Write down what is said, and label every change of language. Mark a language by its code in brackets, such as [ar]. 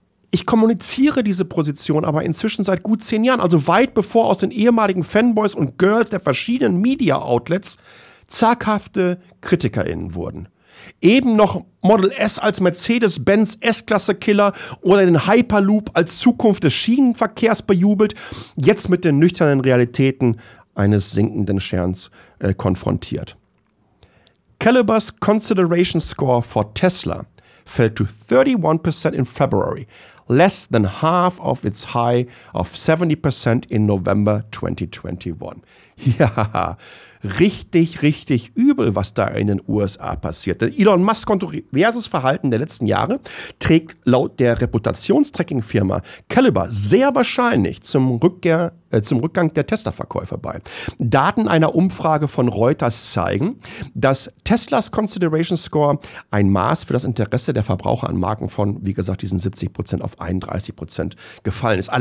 [de] Ich kommuniziere diese Position aber inzwischen seit gut 10 Jahren, also weit bevor aus den ehemaligen Fanboys und Girls der verschiedenen Media-Outlets zaghafte KritikerInnen wurden. Eben noch Model S als Mercedes-Benz S-Klasse-Killer oder den Hyperloop als Zukunft des Schienenverkehrs bejubelt, jetzt mit den nüchternen Realitäten eines sinkenden Sterns konfrontiert. [en] Caliber's Consideration Score for Tesla fell to 31% in February, less than half of its high of 70% in November 2021. [de] Ja, richtig, richtig übel, was da in den USA passiert. Denn Elon Musk kontroverses Verhalten der letzten Jahre trägt laut der Reputationstracking-Firma Caliber sehr wahrscheinlich zum Rückgang der Tesla-Verkäufe bei. Daten einer Umfrage von Reuters zeigen, dass Teslas Consideration Score ein Maß für das Interesse der Verbraucher an Marken von, wie gesagt, diesen 70% auf 31% gefallen ist.